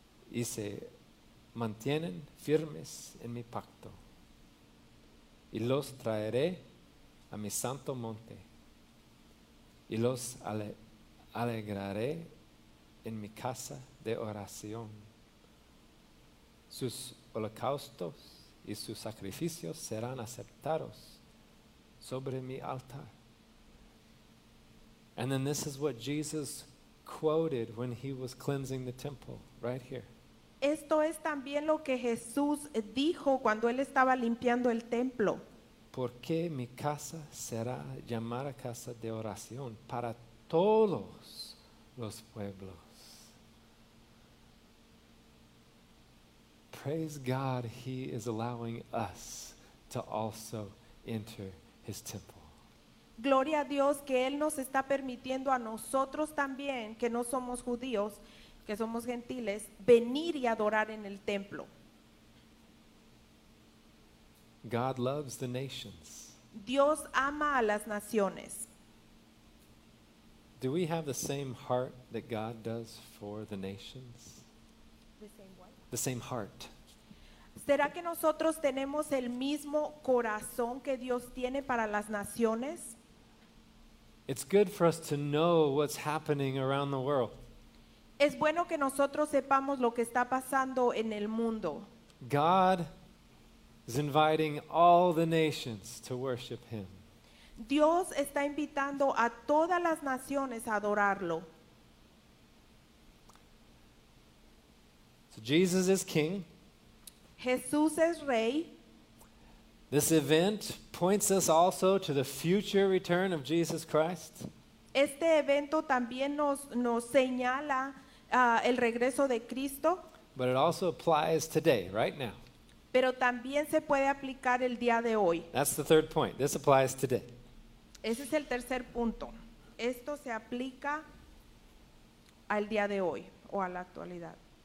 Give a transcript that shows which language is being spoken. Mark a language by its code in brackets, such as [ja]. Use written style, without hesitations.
[es] y se mantienen firmes en mi pacto, y los traeré a mi santo monte y los alegraré en mi casa de oración. Sus holocaustos y sus sacrificios serán aceptados sobre mi altar. [en] And then this is what Jesus quoted when he was cleansing the temple, right here. [es] Esto es también lo que Jesús dijo cuando él estaba limpiando el templo. Porque mi casa será llamada casa de oración para todos los pueblos. [en] Praise God, he is allowing us to also enter his temple. [es] Gloria a Dios que él nos está permitiendo a nosotros también, que no somos judíos, que somos gentiles, venir y adorar en el templo. [en] God loves the nations. [es] Dios ama a las naciones. [en] Do we have the same heart that God does for the nations? The same what? The same heart. [es] ¿Será que nosotros tenemos el mismo corazón que Dios tiene para las naciones? [en] It's good for us to know what's happening around the world. [es] Es bueno que nosotros sepamos lo que está pasando en el mundo. [en] God is inviting all the nations to worship him. [es] Dios está invitando a todas las naciones a adorarlo. [en] So Jesus is king. [es] Jesús es rey. [en] This event points us also to the future return of Jesus Christ. [es] Este evento también nos señala el regreso de Cristo. [en] But it also applies today, right now. [es] Pero también se puede aplicar el día de hoy. [en] That's the third point. This applies today. [es] Ese es el tercer punto. Esto se aplica al día de hoy o a la actualidad.